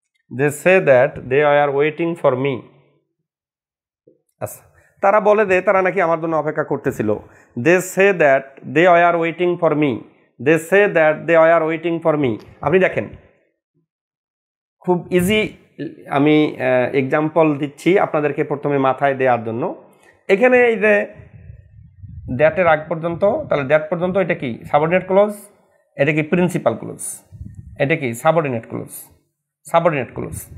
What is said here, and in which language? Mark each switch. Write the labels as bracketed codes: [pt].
[en] They say that they are waiting for me. [bn] তারা বলে দে তারা নাকি আমার জন্য অপেক্ষা করতেছিল. [en] They say that they are waiting for me. They say that they are waiting for me. [bn] আপনি দেখেন খুব ইজি আমি এক্সাম্পল দিচ্ছি আপনাদেরকে প্রথমে মাথায় দেওয়ার জন্য. এখানে এই যে দ্যাটের আগ পর্যন্ত তাহলে দ্যাট পর্যন্ত এটা কি সাবঅর্ডিনেট ক্লোজ, এটা কি প্রিন্সিপাল ক্লোজ, এটা কি সাবঅর্ডিনেট ক্লোজ, সাবঅর্ডিনেট ক্লোজ.